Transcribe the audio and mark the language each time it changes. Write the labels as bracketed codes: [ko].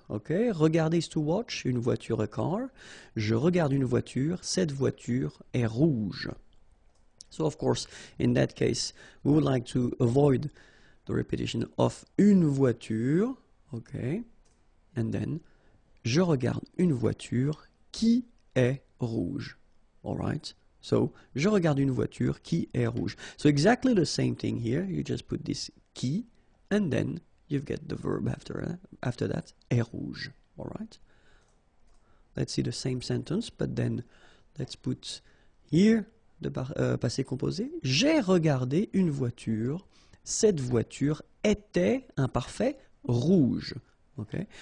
[en] Okay, regarder is to watch, [fr] une voiture, [en] a car. [fr] Je regarde une voiture. Cette voiture est rouge. [en] So, of course, in that case, we would like to avoid the repetition of une voiture. Okay, and then, [fr] je regarde une voiture qui est rouge. [en] All right. [fr] So, je regarde une voiture qui est rouge. [en] So, exactly the same thing here. You just put this qui, and then you get the verb after that, [fr] est rouge. [en] All right. Let's see the same sentence, but then let's put here the passé composé. [fr] J'ai regardé une voiture. Cette voiture était imparfait rouge. [en] Okay.